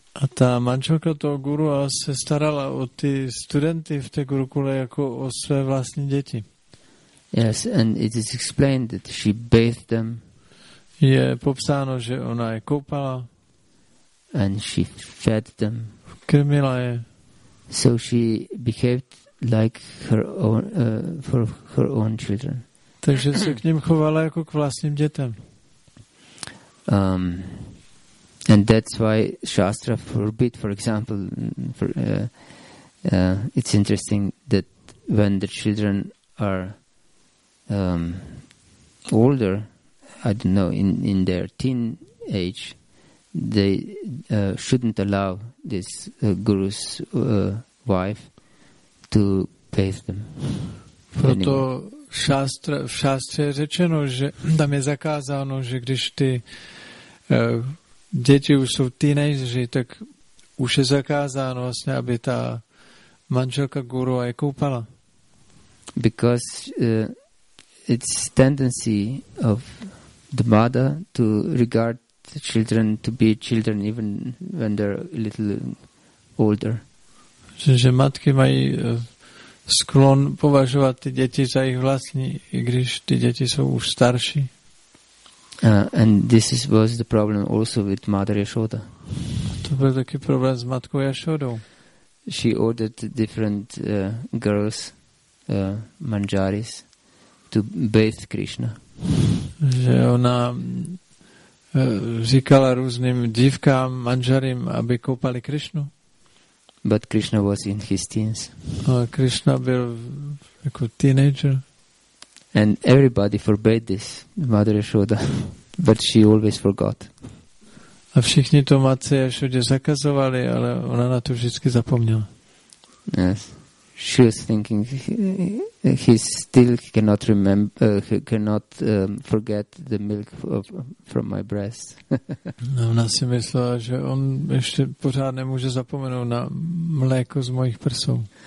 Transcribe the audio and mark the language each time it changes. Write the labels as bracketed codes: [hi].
[cs] A ta manželka toho gurua se starala o ty studenty v té gurukule jako o své vlastní děti. [en] Yes, and it is explained that she bathed them. [cs] Je popsáno, že ona je koupala. [en] And she fed them. [cs] Krmila je. [en] So she behaved like her own for her own children. [cs] Takže se k ním chovala jako k vlastním dětem. [en] And that's why Shastra forbid, for example, for, it's interesting that when the children are older, I don't know, in their teen age, they shouldn't allow this guru's wife to bathe them. [cs] Proto v šástře je řečeno, že tam je zakázáno, že když ty děti už jsou teenageři, tak už je zakázáno vlastně, aby ta manželka guru je koupala. [en] Because it's tendency of the mother to regard the children to be children even when they're a little older. [cs] Že matky mají sklon považovat ty děti za jejich vlastní, i když ty děti jsou už starší. [en] And this is, was the problem also with Mother Yashoda. [cs] To byl taky problém s matkou Yashodou. [en] She ordered different girls, manjaris, to bathe Krishna. [cs] Že ona říkala různým dívkám, manžarím, aby koupali Krishnu. [en] But Krishna was in his teens. [cs] Krishna byl jako teenager. [en] And everybody forbade this, Mother Yashoda, but she always forgot. [cs] A všichni to matce Yashodě zakazovali, ale ona na to vždycky zapomněla. [en] Yes. She was thinking he still cannot remember, he cannot forget the milk from my breast. [cs] No, ona si myslela, že on ještě pořád nemůže zapomenout na mléko z mojich prsů.